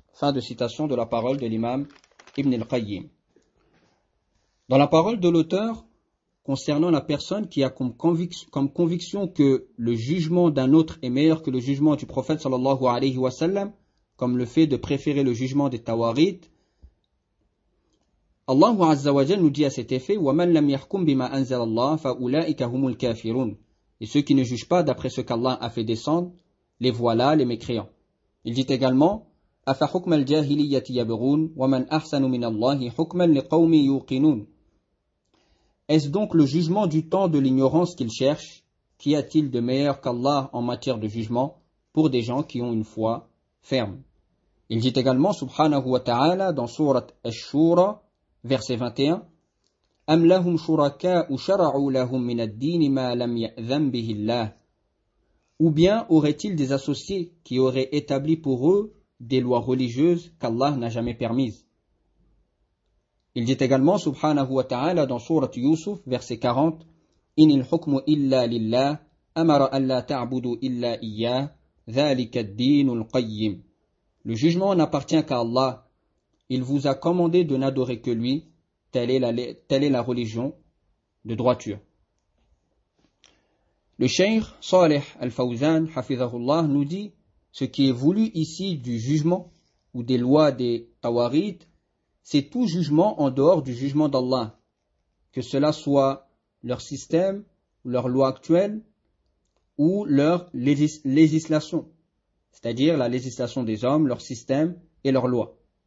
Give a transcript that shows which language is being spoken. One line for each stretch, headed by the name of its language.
French: Fin de citation de la parole de l'imam Ibn al-Qayyim. Dans la parole de l'auteur, concernant la personne qui a comme conviction que le jugement d'un autre est meilleur que le jugement du prophète sallallahu alayhi wa sallam, comme le fait de préférer le jugement des tawarit, Allah Azza wa Jal nous dit à cet effet,
Arabic: وَمَنْ لَمْ يَحْكُمْ بِمَا أَنْزَلَ اللَّهُ فَأُولَٰئِكَ هُمُ الْكَافِرُونَ.
French: Et ceux qui ne jugent pas d'après ce qu'Allah a fait descendre, les voilà les mécréants. Il dit également,
Arabic: أَفَحُكْمَ الْجَاهِلِيَّةِ يَبْغُونَ وَمَنْ أَحْسَنُ مِنَ اللَّهِ حُكْمًا لِقَوْمِ يُوقِنُونَ.
French: Est-ce donc le jugement du temps de l'ignorance qu'ils cherchent? Qu'y a-t-il de meilleur qu'Allah en matière de jugement pour des gens qui ont une foi ferme? Il dit également, subhanahu wa ta'ala, dans Surat Ash-Shura, verset 21,
Arabic: أَمْ لَهُمْ شُرَكَاءُ شَرَعُوا لَهُمْ مِنَ الدِّينِ مَا لَمْ يَأْذَنْ بِهِ اللَّهِ.
French: Ou bien auraient-ils des associés qui auraient établi pour eux des lois religieuses qu'Allah n'a jamais permises? Il dit également, subhanahu wa ta'ala, dans Surat Yusuf, verset 40,
Arabic: إِنِ الْحُكْمُ إِلَّا لِلَّهِ أَمَرَ أَلَّا تَعْبُدُوا إِلَّا إِيَّهِ ذَلِكَ الدِّينُ الْقَيِّمُ.
French: Le jugement n'appartient qu'à Allah. Il vous a commandé de n'adorer que lui. Telle est la religion de droiture. Le Cheikh Saleh Al-Fawzan, hafizahullah, nous dit, ce qui est voulu ici du jugement ou des lois des Tawarit, c'est tout jugement en dehors du jugement d'Allah, que cela soit leur système, leur loi actuelle ou leur législation, c'est-à-dire la législation des hommes, leur système et leur loi.